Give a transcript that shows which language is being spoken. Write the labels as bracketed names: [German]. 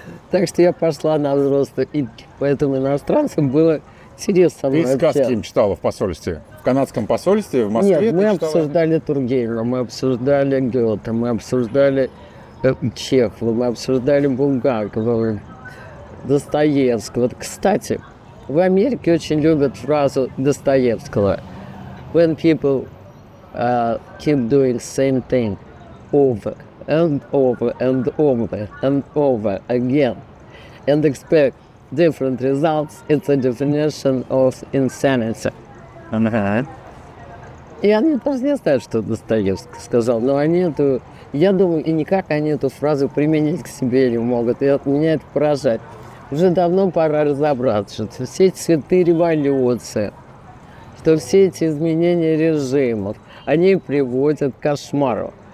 [Russian] Так что я пошла на взрослый, и поэтому иностранцам было интересно со мной. Ты сказки им читала в посольстве? В канадском посольстве, в Москве? Нет, мы обсуждали Тургенева, мы обсуждали Гёте, мы обсуждали Чехова, мы обсуждали Булгакова, Достоевского. Кстати, в Америке очень любят фразу Достоевского: [English] when people keep doing same thing over and over and over and over again and expect different results, it's a definition of insanity. [Russian] И они даже не знают, что Достоевский сказал, но они эту, я думаю, и никак они эту фразу применить к себе не могут, и меня это поражает. Уже давно пора разобраться, что все эти цветы революции, что все эти изменения режимов, они приводят к кошмару.